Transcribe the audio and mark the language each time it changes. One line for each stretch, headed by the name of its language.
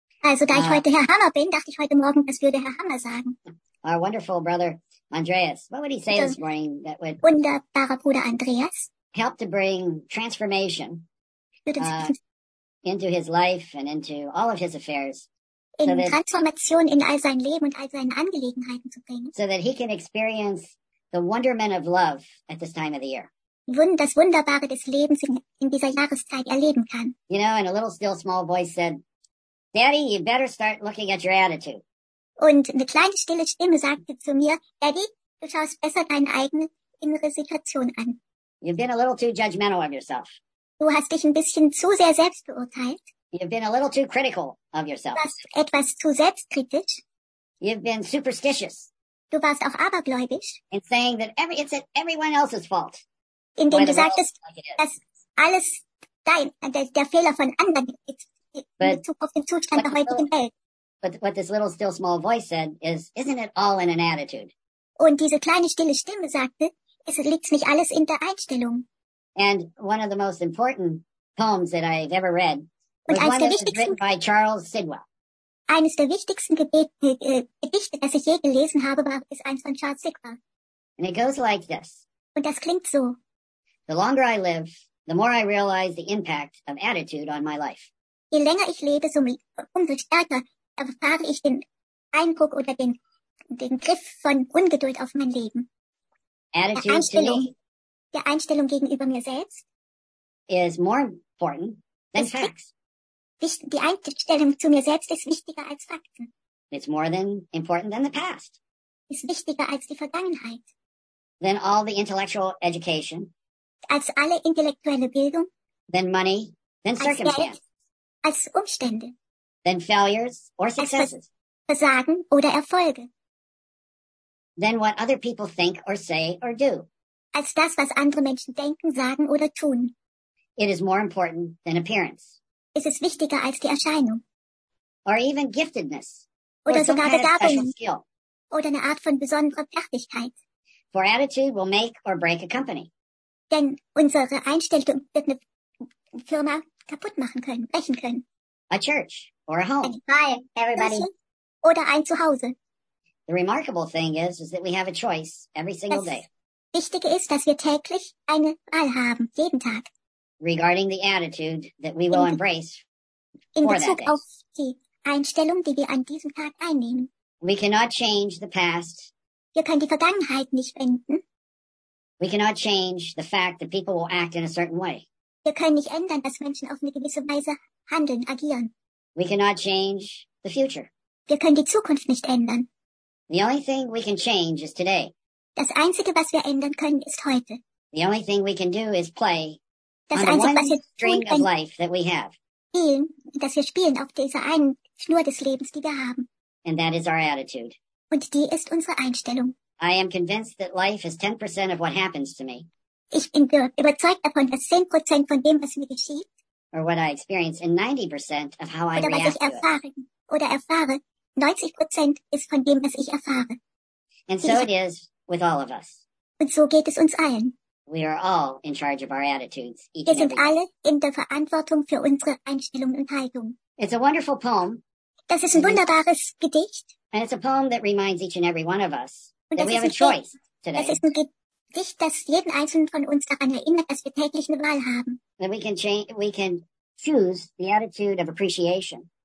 German: Also, da ich heute Herr Hammer bin, dachte ich heute Morgen, was würde Herr Hammer sagen?
English: Our wonderful brother, Andreas. What would he say this morning that would
German: wunderbarer Bruder Andreas
English: help to bring transformation into his life and into all of his affairs? In so that,
German: Transformation in all sein Leben und all seinen Angelegenheiten zu bringen.
English: So that he can experience the wonderment of love at this time of the year.
German: Das Wunderbare des Lebens in dieser Jahreszeit erleben kann.
English: You know, and a little still small voice said, Daddy, you better start looking at your attitude.
German: Und eine kleine stille Stimme sagte zu mir, Daddy, du schaust besser deine eigene innere Situation an.
English: You've been a little too judgmental of yourself.
German: Du hast dich ein bisschen zu sehr selbst beurteilt.
English: You've been a little too critical of yourself.
German: Du warst etwas zu selbstkritisch.
English: You've been superstitious.
German: Du warst auch abergläubisch.
English: In saying that it's everyone else's fault.
German: Indem du sagtest, dass alles dein, der Fehler von anderen ist.
English: But what this little still small voice said is, isn't it all in an attitude?
German: Und diese kleine stille Stimme sagte, es liegt nicht alles in der Einstellung.
English: And one of the most important poems that I've ever read
German: und
English: was one that was written by Charles Sidwell.
German: Eines der wichtigsten Gedichte, das ich je gelesen habe, war ist eins von Charles Sidwell.
English: And it goes like this.
German: Und das klingt so.
English: The longer I live, the more I realize the impact of attitude on my life.
German: Je länger ich lebe, umso stärker erfahre ich den Eindruck oder den Griff von Ungeduld auf mein Leben.
English: Attitude
German: der Einstellung,
English: to me
German: der Einstellung gegenüber mir selbst
English: is more important than facts.
German: Die Einstellung zu mir selbst ist wichtiger als Fakten.
English: It's more than important than the past.
German: Ist wichtiger als die Vergangenheit.
English: Than all the intellectual education.
German: Als alle intellektuelle Bildung.
English: Than money. Than circumstance.
German: Als Umstände.
English: Then failures or successes.
German: Als Versagen oder Erfolge.
English: Then what other people think or say or do.
German: Als das, was andere Menschen denken, sagen oder tun.
English: It is more important than appearance.
German: Es ist wichtiger als die Erscheinung.
English: Or even giftedness.
German: Oder
English: or
German: sogar Begabung.
English: Kind of
German: oder eine Art von besonderer Fertigkeit.
English: For attitude will make or break a company.
German: Denn unsere Einstellung wird eine Firma kaputt machen können, brechen können.
English: A church or a home. Hi, everybody.
German: Oder ein Zuhause.
English: The remarkable thing is that we have a choice every single
German: das
English: day.
German: Wichtige ist, dass wir täglich eine Wahl haben, jeden Tag.
English: Regarding the attitude that we will embrace
German: in Bezug auf die Einstellung, die wir an diesem Tag einnehmen.
English: We cannot change the past.
German: Wir können die Vergangenheit nicht wenden.
English: We cannot change the fact that people will act in a certain way.
German: Wir können nicht ändern, dass Menschen auf eine gewisse Weise handeln, agieren.
English: We cannot change the future.
German: Wir können die Zukunft nicht ändern.
English: The only thing we can change is today.
German: Das Einzige, was wir ändern können, ist heute.
English: The only thing we can do is play
German: das
English: on
German: Einzige,
English: the one
German: was wir tun
English: string
German: können,
English: of life that we have.
German: Spielen, dass wir spielen auf dieser einen Schnur des Lebens, die wir haben.
English: And that is our attitude.
German: Und die ist unsere Einstellung.
English: I am convinced that life is 10% of what happens to me.
German: Ich bin überzeugt davon, dass 10% von dem, was mir geschieht,
English: or what I experience in 90% of how I react to it.
German: Oder erfahre, 90% ist von dem, was ich erfahre.
English: And so it is with all of us.
German: Und so geht es uns allen.
English: We are all in charge of our attitudes.
German: Wir sind alle in der Verantwortung für unsere Einstellung und Haltung.
English: It's a wonderful poem.
German: Das ist ein wunderbares Gedicht.
English: And it's a poem that reminds each and every one of us
German: und
English: that we have a choice today.
German: Das ist ein Gedicht. Dich, dass jeden Einzelnen von uns daran erinnert, dass wir täglich eine Wahl haben.
English: That we can choose the attitude of appreciation.